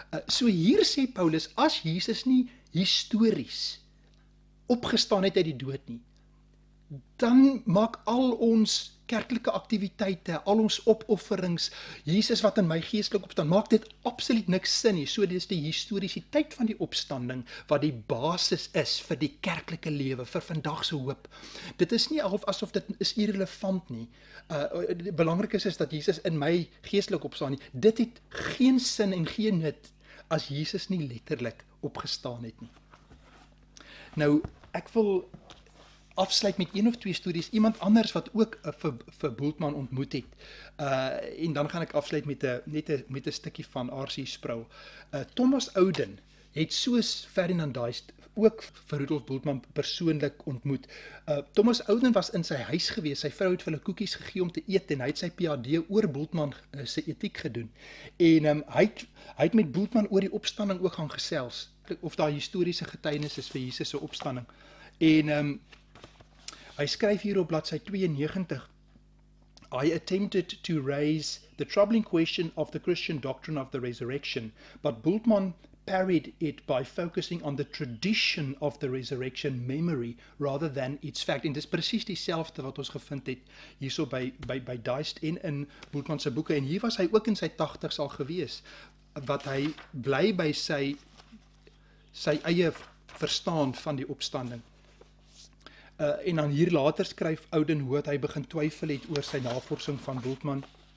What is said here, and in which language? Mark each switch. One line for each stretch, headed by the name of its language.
Afrikaans: So hier sê Paulus, as Jesus nie histories opgestaan het uit die dood nie, dan maak al ons kerkelike aktiwiteite, al ons opofferings, Jesus wat in my geestelik opstaan, maak dit absoluut niks sin nie. So dit is die historisiteit van die opstanding wat die basis is vir die kerkelike lewe, vir vandagse hoop. Dit is nie asof dit is irrelevant nie. Belangrik is dat Jesus in my geestelik opstaan nie. Dit het geen sin en geen nut as Jesus nie letterlik opgestaan het nie. Nou, ek wil afsluit met een of twee stories, iemand anders wat ook vir Bultmann ontmoet het. En dan gaan ek afsluit met een stukkie van R.C. Sproul. Thomas Oudin het soos Ferdinand Deist ook vir Rudolf Bultmann persoonlik ontmoet. Thomas Oudin was in sy huis gewees, sy vrou het vir hulle koekies gegee om te eet en hy het sy PhD oor Bultmann sy ethiek gedoen. En hy het met Bultmann oor die opstanding ook gaan gesels, of daar historiese getuienis is vir Jesus' opstanding. En hy skryf hier op bladsy 92,
English: I attempted to raise the troubling question of the Christian doctrine of the resurrection, but Bultmann parried it by focusing on the tradition of the resurrection memory rather than its fact.
Afrikaans: En dit is precies dieselfde wat ons gevind het hierso by Deist en in Bultmann se boeke. En hier was hy ook in sy 80s al gewees, wat hy bly by sy eie verstaan van die opstanding. En dan hier later skryf Oudin hoe hy begin twyfel het oor sy navorsing van Bultmann.